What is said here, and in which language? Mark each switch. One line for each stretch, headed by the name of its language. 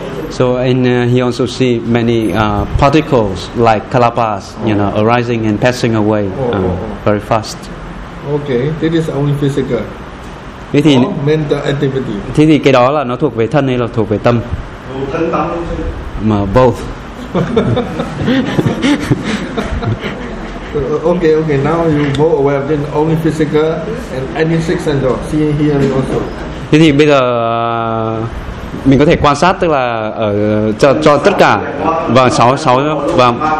English: So and he also see many particles like kalapas, you know, arising and passing away very fast. Okay, this is only physical.
Vietnamese: Thế thì
English: or mental activity.
Vietnamese: Thế thì cái đó là nó thuộc về thân hay là thuộc về tâm? Thân tâm. Mà
English: both. Okay. Now you both aware of this only physical and any six sense of seeing, hearing also.
Vietnamese: Thế thì bây giờ mình có thể quan sát, tức là ở cho tất cả và sáu và